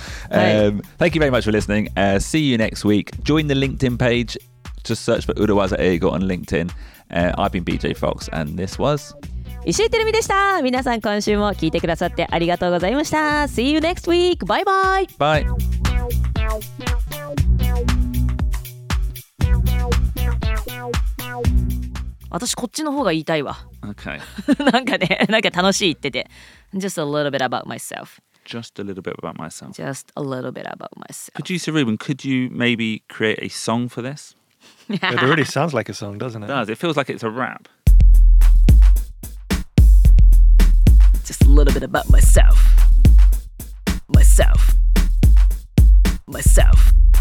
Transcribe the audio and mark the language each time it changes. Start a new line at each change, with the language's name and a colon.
English: Thank you very much for listening. See you next week. Join the LinkedIn page. Just search for Urawaza Eigo on LinkedIn. I've been BJ Fox and this was
Japanese: 石井てるみでした。皆さん今週も聞いてくださってありがとうございました。
English: See you next week. Bye bye. Bye.
Japanese: 私こっちの方が言いたいわ。
English: Okay.
Japanese: なんかね、なんか楽しい言ってて。
English: Just a little bit about myself. Just a little bit about myself. Just a little bit about myself. Producer Ruben, could you maybe create a song for this? It already sounds like a song, doesn't it? It does. It feels like it's a rap. Just a little bit about myself. Myself. Myself.